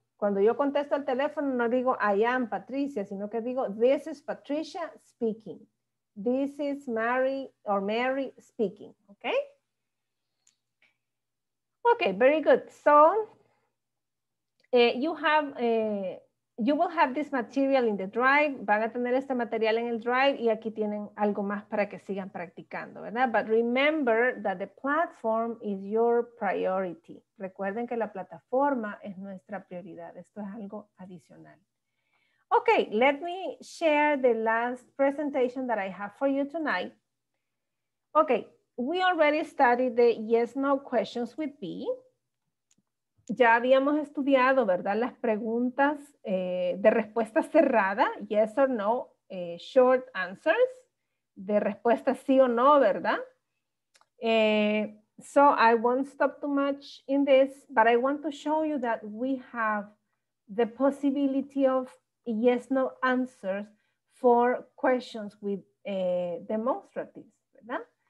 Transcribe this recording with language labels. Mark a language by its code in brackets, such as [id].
[es] Cuando yo contesto al teléfono, no digo, [en] I am Patricia, [es] sino que digo, [en] this is Patricia speaking. This is Mary or Mary speaking, okay? Okay, very good. So you will have this material in the drive. [es] Van a tener este material en el drive y aquí tienen algo más para que sigan practicando, ¿verdad? [en] But remember that the platform is your priority. [es] Recuerden que la plataforma es nuestra prioridad. Esto es algo adicional. [en] Okay, let me share the last presentation that I have for you tonight. Okay, we already studied the yes/no questions with B. [es] Ya habíamos estudiado, ¿verdad? Las preguntas de respuesta cerrada, [en] yes or no, short answers, [es] de respuesta sí o no, ¿verdad? [en] So I won't stop too much in this, but I want to show you that we have the possibility of yes/no answers for questions with demonstratives, [es] ¿verdad?